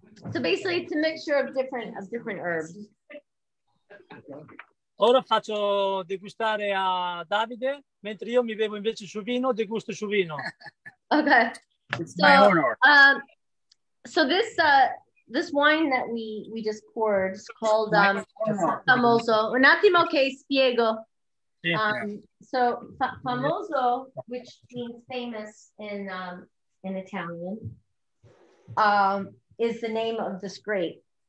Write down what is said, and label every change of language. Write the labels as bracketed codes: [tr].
[en] So basically it's a mixture of different herbs. [it] Ora faccio degustare a Davide, mentre io mi bevo invece il suo vino, degusto il suo vino. [en] Okay. It's so, my honor. So this wine that we just poured is called Famoso. [it] Un attimo che spiego. [en] So Famoso, which means famous in Italian, is the name of this grape.